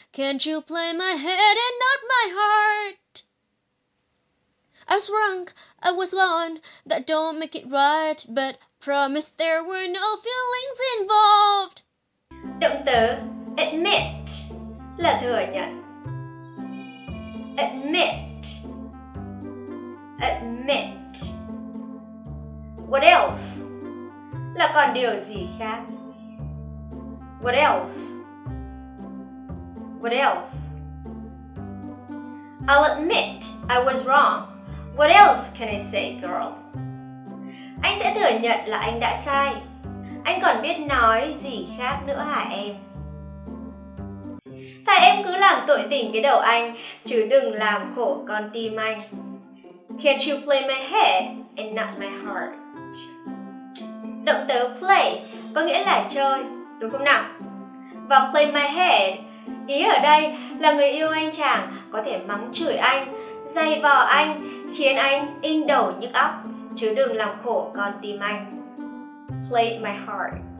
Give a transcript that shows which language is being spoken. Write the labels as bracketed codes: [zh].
[en] Can't you play my head and not my heart? I was wrong, I was gone. That don't make it right, but promise there were no feelings involved. [vi] Động từ admit là thừa nhận. [en] Admit. Admit. What else? [vi] Là còn điều gì khác? [en] What else? What else? I'll admit I was wrong. What else can I say, girl? [vi] Anh sẽ thừa nhận là anh đã sai. Anh còn biết nói gì khác nữa hả em? Thà em cứ làm tội tình cái đầu anh, chứ đừng làm khổ con tim anh. [en] Can't you play my head and not my heart? [vi] Động từ play có nghĩa là chơi, đúng không nào? Và [en] play my head, [vi] ý ở đây là người yêu anh chàng có thể mắng chửi anh, dày vò anh, khiến anh in đầu nhức óc, chứ đừng làm khổ con tim anh. [en] Play my heart.